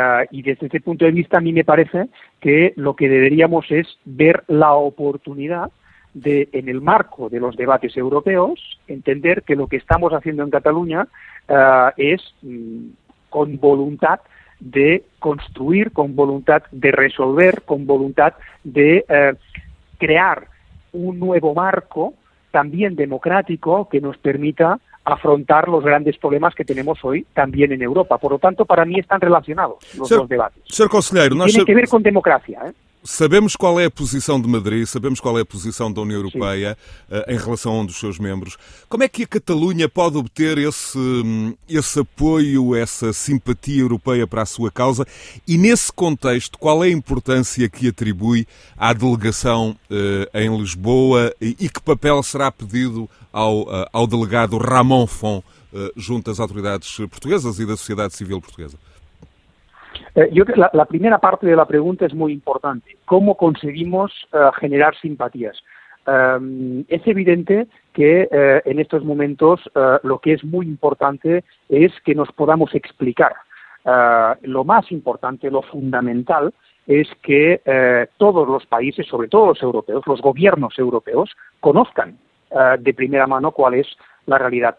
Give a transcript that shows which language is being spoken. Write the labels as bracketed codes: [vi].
[es] Y desde este punto de vista, a mí me parece que lo que deberíamos es ver la oportunidad de, en el marco de los debates europeos, entender que lo que estamos haciendo en Cataluña es con voluntad de construir, con voluntad de resolver, con voluntad de crear un nuevo marco también democrático que nos permita afrontar los grandes problemas que tenemos hoy también en Europa. Por lo tanto, para mí están relacionados los debates. Señor Conselheiro, tiene que ver con democracia, ¿eh? [pt] Sabemos qual é a posição de Madrid, sabemos qual é a posição da União Europeia em relação a um dos seus membros. Como é que a Catalunha pode obter esse apoio, essa simpatia europeia para a sua causa? E nesse contexto, qual é a importância que atribui à delegação em Lisboa e que papel será pedido ao delegado Ramón Fon junto às autoridades portuguesas e da sociedade civil portuguesa? [es] Yo creo que la primera parte de la pregunta es muy importante. ¿Cómo conseguimos generar simpatías? Es evidente que en estos momentos lo que es muy importante es que nos podamos explicar. Lo más importante, lo fundamental, es que todos los países, sobre todo los europeos, los gobiernos europeos, conozcan de primera mano cuál es la realidad.